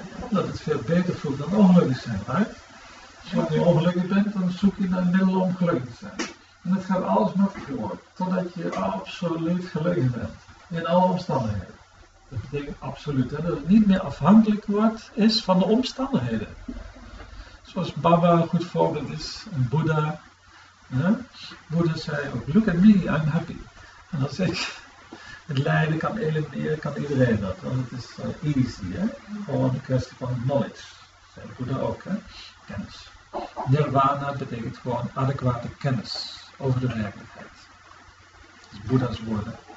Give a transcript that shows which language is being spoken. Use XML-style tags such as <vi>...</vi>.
<nl>Dat het veel beter voelt dan ongelukkig zijn,</nl> <en>right?</en> <nl>Als je ongelukkig bent, dan zoek je naar een middel om gelukkig te zijn. En het gaat alles makkelijker worden, totdat je absoluut gelukkig bent, in alle omstandigheden. Dat betekent absoluut, hè? Dat het niet meer afhankelijk wordt, is van de omstandigheden. Zoals Baba een goed voorbeeld is, en Boeddha. Hè?</nl> <en>Boeddha zei ook, look at me, I'm happy.</en> <nl>En als ik het lijden kan elimineren, kan iedereen dat. Want het is easy, hè? Gewoon een kwestie van knowledge, zei Boeddha ook, hè? Kennis. Nirvana betekent gewoon adequate kennis over de werkelijkheid. Dat is Boeddha's woorden.</nl>